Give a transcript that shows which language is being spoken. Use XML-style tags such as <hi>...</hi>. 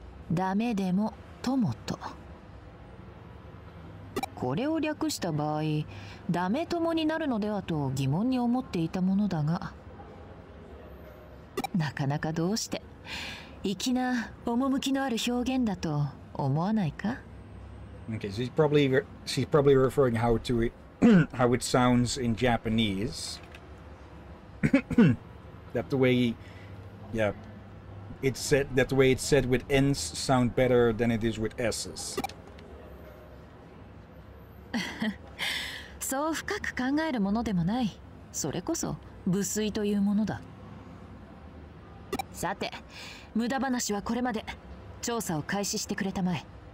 <ja>ダメでも友と、これを略した場合、ダメ友になるのではと疑問に思っていたものだが、なかなかどうして粋な趣のある表現だと思わないか。</ja> <en>Okay, so she's probably referring how to it, how it sounds in Japanese. That the way, yeah, it's said that the way it's said with N's sound better than it is with S's.</en> <ja>そう深く考えるものでもない。それこそ無粋というものだ。さて、無駄話はこれまで。調査を開始してくれたまえ。</ja>